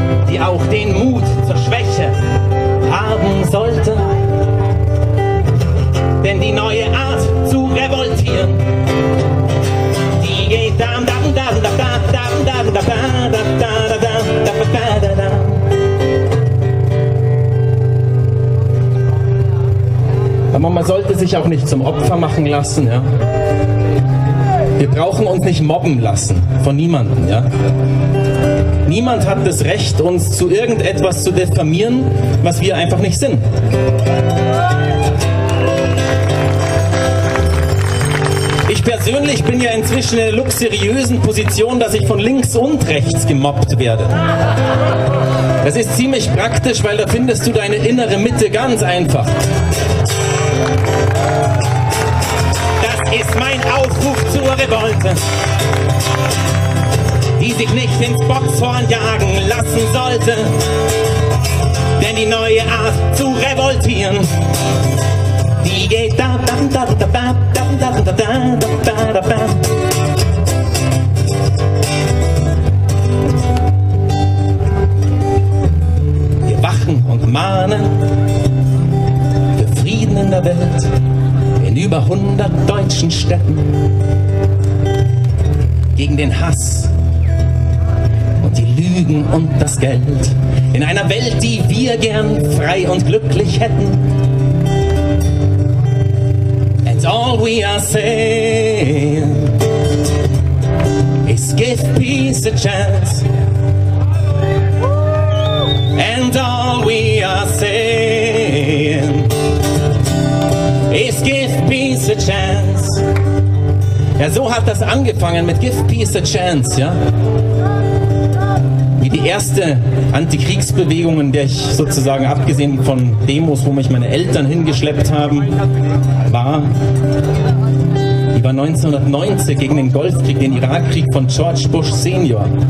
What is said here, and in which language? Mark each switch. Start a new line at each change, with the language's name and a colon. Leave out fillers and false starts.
German: Die auch den Mut zur Schwäche haben sollte. Denn die neue Art zu revoltieren, die geht da, da, da, da, da, da, da, da, da, da, da, da, da, da, da, da, da. Aber man sollte sich auch nicht zum Opfer machen lassen, ja? Wir brauchen uns nicht mobben lassen von niemandem, ja? Niemand hat das Recht, uns zu irgendetwas zu diffamieren, was wir einfach nicht sind. Ich persönlich bin ja inzwischen in der luxuriösen Position, dass ich von links und rechts gemobbt werde. Das ist ziemlich praktisch, weil da findest du deine innere Mitte ganz einfach. Das ist mein Aufruf zur Revolte, die sich nicht ins Boxhorn jagen lassen sollte. Denn die neue Art zu revoltieren, die geht da, da, da, da, da, da, da, da, da, da, da, da. Wir wachen und mahnen für Frieden in der Welt, in über 100 deutschen Städten, gegen den Hass, Lügen und das Geld, in einer Welt, die wir gern frei und glücklich hätten.
English: And all we are saying is give peace a chance. And all we are saying is give peace a chance.
German: Ja, so hat das angefangen mit
English: give peace a chance,
German: ja? Die erste Antikriegsbewegung, in der ich sozusagen, abgesehen von Demos, wo mich meine Eltern hingeschleppt haben, war, die war 1990 gegen den Golfkrieg, den Irakkrieg von George Bush Senior.